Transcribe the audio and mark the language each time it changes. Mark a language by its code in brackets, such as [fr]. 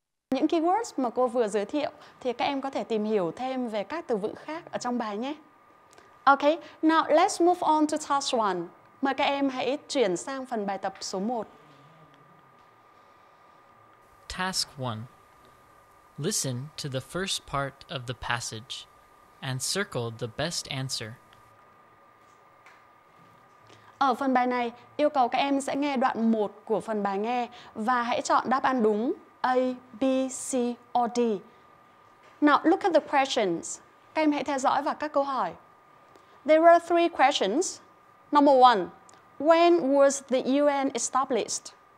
[vi] Những keywords mà cô vừa giới thiệu thì các em có thể tìm hiểu thêm về các từ vựng khác ở trong bài nhé. [en] Okay, now let's move on to task 1. [vi] Mời các em hãy chuyển sang phần bài tập số 1. [en] Task 1. Listen to the first part of the passage and circle the best answer. [vi] Ở phần bài này, yêu cầu các em sẽ nghe đoạn 1 của phần bài nghe và hãy chọn đáp án đúng A, B, C, or D. [en] Now, look at the questions. [vi] Các em hãy theo dõi vào các câu hỏi. [en] There are three questions. Number one, when was the UN established?